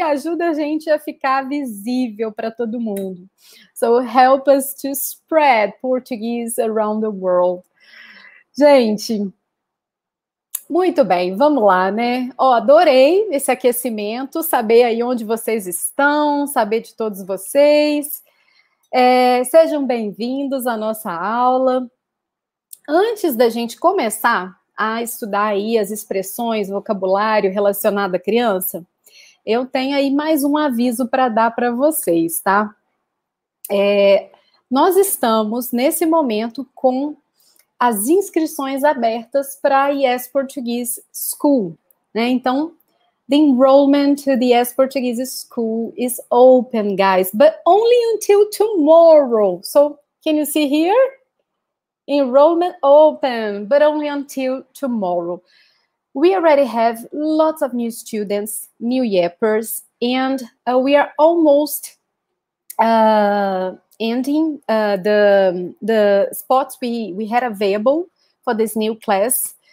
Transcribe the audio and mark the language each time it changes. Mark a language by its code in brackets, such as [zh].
[pt] Ajuda a gente a ficar visível para todo mundo. [en] So help us to spread Portuguese around the world. [pt] Gente, muito bem. Vamos lá, né? Ó, adorei esse aquecimento. Saber aí onde vocês estão. Saber de todos vocês. É, sejam bem-vindos à nossa aula. Antes da gente começar a estudar aí as expressões, vocabulário relacionado à criança, eu tenho aí mais um aviso para dar para vocês, tá? É, nós estamos, nesse momento, com as inscrições abertas para a ES Portuguese School, né? [en] Então, the enrollment to the ES Portuguese School is open, guys, but only until tomorrow. So, can you see here? Enrollment open, but only until tomorrow. We already have lots of new students, new YEPers, and we are almost ending the spots we had available for this new class.